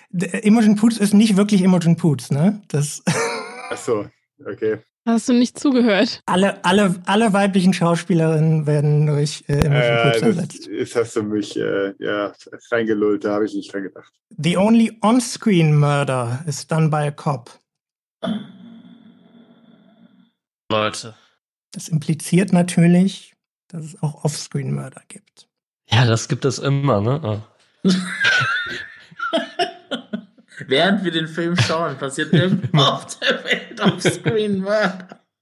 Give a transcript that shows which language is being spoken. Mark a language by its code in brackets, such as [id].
[de] Imogen Poots ist nicht wirklich Imogen Poots, ne? Das. Achso, okay. Hast du nicht zugehört? Alle weiblichen Schauspielerinnen werden durch Imogen Poots ersetzt. Das hast du mich reingelullt, da habe ich nicht dran gedacht. [en] The only on-screen murder is done by a cop. [de] Leute. Das impliziert natürlich, dass es auch [en] off-screen murder [de] gibt. Ja, das gibt es immer, ne? Oh. Während wir den Film schauen, passiert irgendwo auf der Welt [en] offscreen Murder.